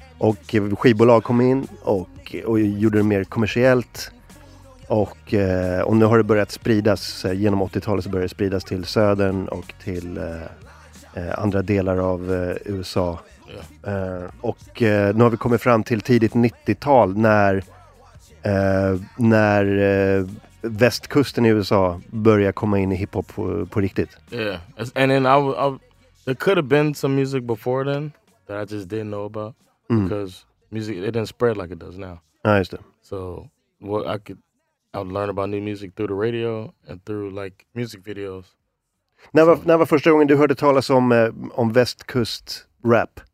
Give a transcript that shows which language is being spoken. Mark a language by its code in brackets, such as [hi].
[sv] Och skivbolag kom in och gjorde det mer kommersiellt och nu har det börjat spridas genom 80-talet så började det spridas till södern och till andra delar av USA. [en] Yeah. [sv] Och nu har vi kommit fram till tidigt 90-tal när västkusten i USA börjar komma in i hiphop på riktigt. [en] Yeah. And then there could have been some music before then that I just didn't know about because music it didn't spread like it does now. [sv] Ja, just det. [en] So what I would learn about new music through the radio and through like music videos. [sv] När var första gången du hörde talas om västkust rap?